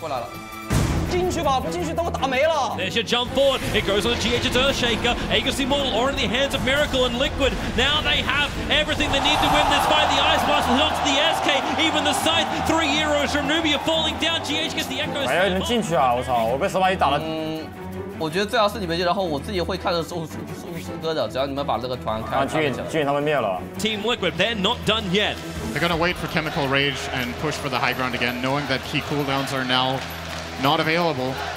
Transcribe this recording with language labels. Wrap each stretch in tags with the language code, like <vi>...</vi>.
<zh>快点啊！这怎么进去呢？悠悠不来吗？悠悠，再过来了。进去吧，不进去等我打没了。</zh> <en>There's your jump forward. It goes on the GH Earthshaker. Aegis Immortal are in the hands of Miracle and Liquid. Now they have everything they need to win this fight. The Ice Master hit onto the SK. Even the Scythe. Three heroes from Nubia falling down. GH gets the Echo.</en> <zh>哎呀，你能进去啊！我操，我被斯巴达打了。我觉得最好是你们进，然后我自己会看着送歌的，只要你们把这个团开。啊，巨影，巨影他们灭了。</zh> <en>Team Liquid, they're not done yet. They're gonna wait for Chemical Rage and push for the high ground again, knowing that key cooldowns are now not available.</en>